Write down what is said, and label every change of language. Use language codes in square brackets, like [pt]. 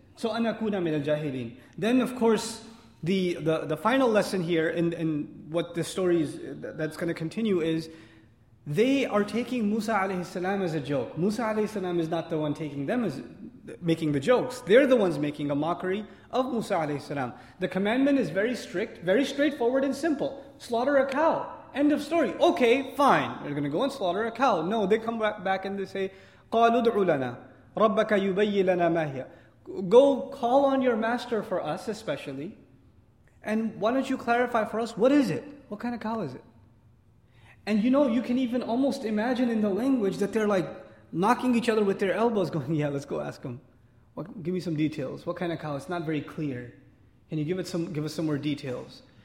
[en] So [ar] أَنْ أَكُونَ مِنَ الْجَاهِلِينَ [en] Then of course, the final lesson here in what the story is that's going to continue is, they are taking Musa alayhi salam as a joke. Musa alayhi salam is not the one taking them as making the jokes. They're the ones making a mockery of Musa alayhi salam. The commandment is very strict, very straightforward and simple. Slaughter a cow. End of story. Okay, fine. They're going to go and slaughter a cow. No, they come back and they say, [ar] قَالُوا دُعُوا لَنَا رَبَّكَ يُبَيِّ لَنَا مَا هِيَ [en] go call on your master for us especially, and why don't you clarify for us, what is it? What kind of cow is it? And you know, you can even almost imagine in the language that they're like knocking each other with their elbows going, yeah, let's go ask them. What, give me some details. What kind of cow? It's not very clear. Can you give us some more details?